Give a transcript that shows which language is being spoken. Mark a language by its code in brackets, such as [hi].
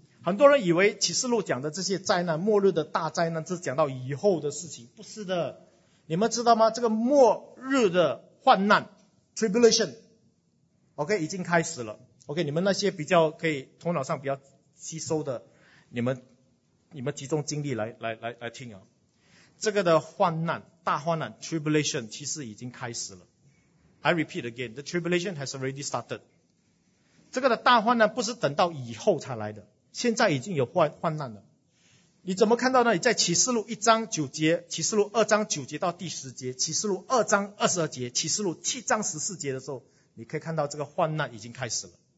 [zh] 很多人以为启示录讲的这些灾难，末日的大灾难，是讲到以后的事情。不是的，你们知道吗？这个末日的患难 tribulation， OK， 已经开始了。 OK， 你们那些比较可以头脑上比较吸收的，你们集中精力来听啊。这个的患难，大患难 tribulation 其实已经开始了。 [en] I repeat again, the tribulation has already started. [zh] 这个的大患难不是等到以后才来的，现在已经有患难了。你怎么看到呢？在启示录一章九节，启示录二章九节到第十节，启示录二章二十二节，启示录七章十四节的时候，你可以看到这个患难已经开始了。